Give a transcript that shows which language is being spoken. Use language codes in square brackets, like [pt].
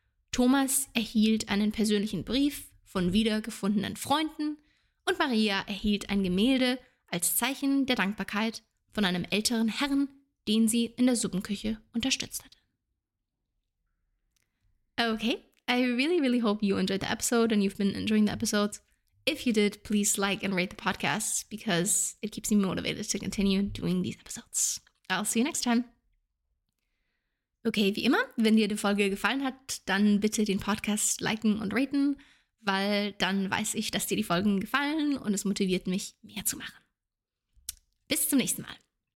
[de] Thomas erhielt einen persönlichen Brief von wiedergefundenen Freunden und Maria erhielt ein Gemälde als Zeichen der Dankbarkeit von einem älteren Herrn, den sie in der Suppenküche unterstützt hatte. [en] Okay. I really, really hope you enjoyed the episode and you've been enjoying the episodes. If you did, please like and rate the podcast because it keeps me motivated to continue doing these episodes. I'll see you next time. [de] Okay, wie immer, wenn dir die Folge gefallen hat, dann bitte den Podcast liken und raten, weil dann weiß ich, dass dir die Folgen gefallen und es motiviert mich, mehr zu machen. Bis zum nächsten Mal.